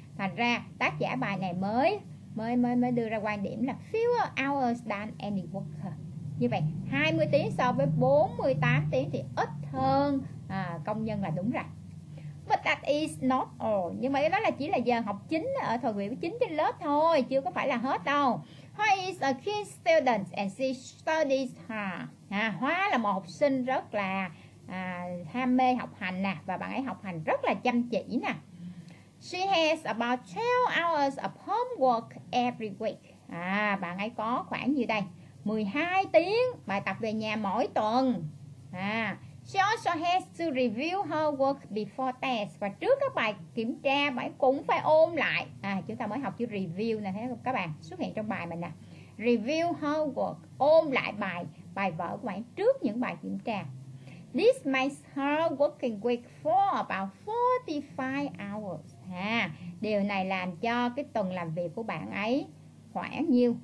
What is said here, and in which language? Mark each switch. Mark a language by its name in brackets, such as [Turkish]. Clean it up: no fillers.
[Vietnamese] Thành ra tác giả bài này mới đưa ra quan điểm là [English] fewer hours than any worker. [Vietnamese] Như vậy 20 tiếng so với 48 tiếng thì ít hơn công nhân là đúng rồi. [English] But that is not all. [Vietnamese] Nhưng mà cái đó là chỉ là giờ học chính ở thời buổi chính trên lớp thôi, chưa có phải là hết đâu. [English] Hoa is a keen student and she studies hard. [Vietnamese] Hoa là một học sinh rất là ham mê học hành nè, và bạn ấy học hành rất là chăm chỉ nè. [English] She has about 12 hours of homework every week. [Vietnamese] Bạn ấy có khoảng nhiêu đây? 12 tiếng bài tập về nhà mỗi tuần. [English] She also has to review her work before test. [Vietnamese] Và trước các bài kiểm tra bạn cũng phải ôn lại. Chúng ta mới học chữ review nè, thấy không các bạn? Xuất hiện trong bài mình nè. [English] Review her work, [Vietnamese] ôn lại bài vở của bạn trước những bài kiểm tra. [English] This makes her working week for about 45 hours. [Vietnamese] Điều này làm cho cái tuần làm việc của bạn ấy khoảng nhiêu?